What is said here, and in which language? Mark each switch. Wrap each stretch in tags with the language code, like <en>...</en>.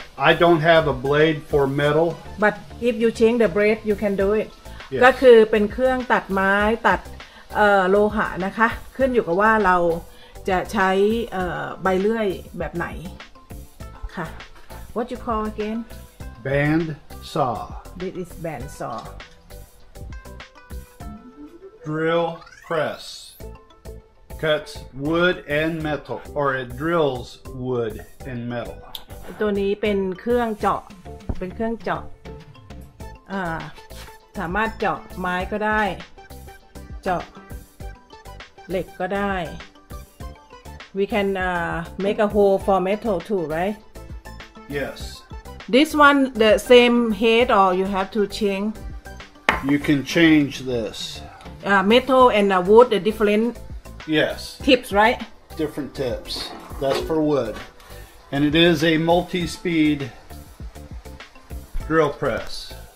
<en>I don't have a blade for metal. But if you change the blade, you can do it. Yes.</en> <th>ก็คือเป็นเครื่องตัดไม้ตัดโลหะนะคะขึ้นอยู่กับว่าเราจะใช้ใบเลื่อยแบบไหนค่ะ</th> <en>What you call again? Bandsaw. This is bandsaw. Drill press cuts wood and metal, or it drills wood and metal.</en> <th>ตัวนี้เป็นเครื่องเจาะเป็นเครื่องเจาะสามารถเจาะไม้ก็ได้เจาะเหล็กก็ได้</th> <en>We can make a hole for metal too, right? Yes. This one, the same head, or you have to change? You can change this. Metal and wood, the different yes. tips, right? Different tips. That's for wood. And it is a multi-speed drill press.</en>